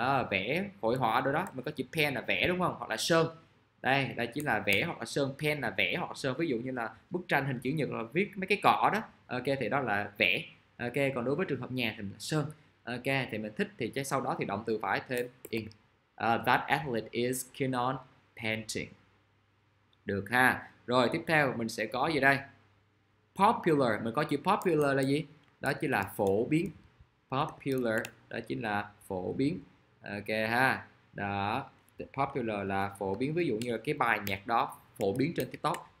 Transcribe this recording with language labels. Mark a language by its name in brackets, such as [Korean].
[Vietnamese] Vẽ hội họa đôi đó, mình có chữ pen là vẽ đúng không? Hoặc là sơn. Đây, đây chính là vẽ hoặc là sơn, pen là vẽ hoặc sơn. Ví dụ như là bức tranh hình chữ nhật là viết mấy cái cỏ đó. Ok, thì đó là vẽ. Ok, còn đối với trường hợp nhà thì mình là sơn. Ok, thì mình thích thì chắc sau đó thì động từ phải thêm in. [English] That athlete is keen on painting. [Vietnamese] Được ha. Rồi, tiếp theo mình sẽ có gì đây? Popular, mình có chữ popular là gì? Đó chính là phổ biến. Popular, đó chính là phổ biến. Ok ha, đó. Popular là phổ biến, ví dụ như là cái bài nhạc đó phổ biến trên TikTok.